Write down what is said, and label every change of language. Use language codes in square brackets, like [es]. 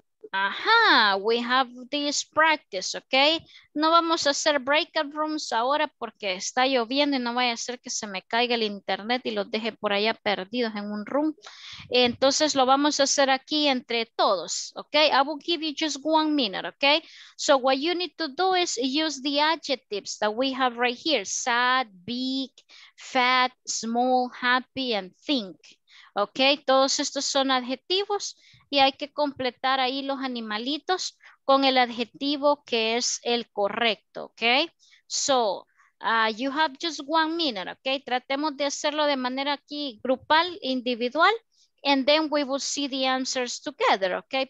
[en] Ajá, we have this practice, okay? [es] No vamos a hacer breakout rooms ahora porque está lloviendo y no vaya a ser que se me caiga el internet y los deje por allá perdidos en un room. Entonces lo vamos a hacer aquí entre todos, okay? [en] I will give you just 1 minute, okay? So what you need to do is use the adjectives that we have right here. Sad, big, fat, small, happy, and think. [es] Okay, todos estos son adjetivos y hay que completar ahí los animalitos con el adjetivo que es el correcto, okay? [en] So, you have just 1 minute, okay? [es] Tratemos de hacerlo de manera aquí grupal, [en] individual, and then we will see the answers together, okay?